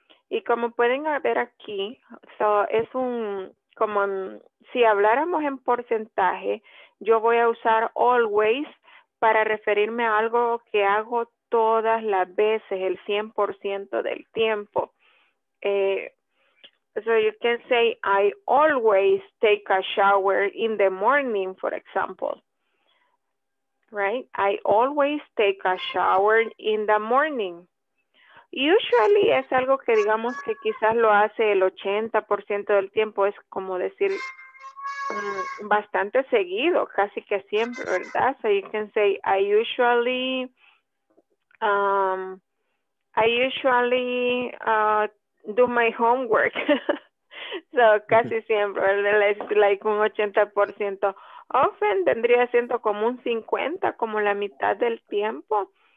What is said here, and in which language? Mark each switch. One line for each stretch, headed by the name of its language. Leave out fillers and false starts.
Spanish: Y como pueden ver aquí, so es un, como si habláramos en porcentaje, yo voy a usar always para referirme a algo que hago todas las veces, el 100% del tiempo.
English: So you can say, I always take a shower in the morning, for example. Right? I always take a shower in the morning.
Spanish: Usually es algo que digamos que quizás lo hace el 80% del tiempo, es como decir bastante seguido, casi que siempre, ¿verdad?
English: So you can say I usually do my homework.
Spanish: So casi siempre, ¿verdad? Like un 80%. Often tendría siento como un 50, como la mitad del tiempo.